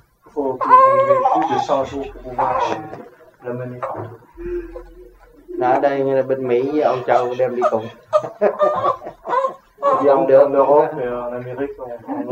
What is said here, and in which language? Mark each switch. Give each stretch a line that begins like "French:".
French: faut qu'il y ait plus de 100 jours pour pouvoir le mener partout.
Vietnamese: Là, ở đây, là bên Mỹ, ông Châu đem đi cùng.
French: Et en Europe et en Amérique, on